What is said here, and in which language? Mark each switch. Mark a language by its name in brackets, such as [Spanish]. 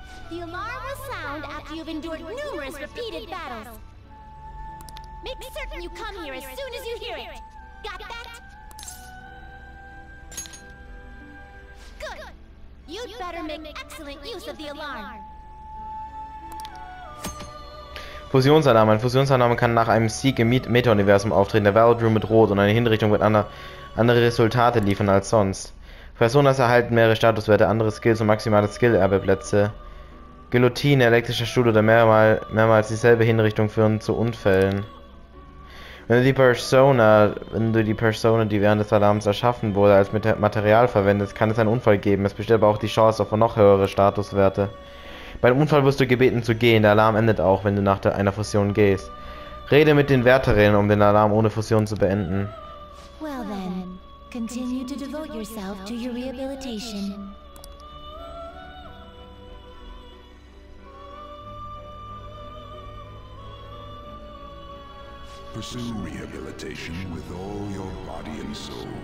[English] The alarm will sound after you've endured numerous repeated battles. Make certain you come here as soon as you hear it. Got that? Good. You'd better make excellent use of the alarm. [German] Fusionsalarm. Ein Fusionsalarm kann nach einem Sieg im Meta-Universum auftreten. Der Valid Room wird rot und eine Hinrichtung wird andere Resultate liefern als sonst. Personas erhalten mehrere Statuswerte, andere Skills und maximale Skill-Erbeplätze. Guillotine, elektrischer Stuhl oder mehrmals dieselbe Hinrichtung führen zu Unfällen. Wenn du die Persona, die während des Alarms erschaffen wurde, als Material verwendest, kann es einen Unfall geben. Es besteht aber auch die Chance auf noch höhere Statuswerte. Beim Unfall wirst du gebeten zu gehen. Der Alarm endet auch, wenn du nach einer Fusion gehst. Rede mit den Wärterinnen, um den Alarm ohne Fusion zu beenden. [English] Well then, continue to devote yourself to your rehabilitation. Pursue rehabilitation with all your body and soul.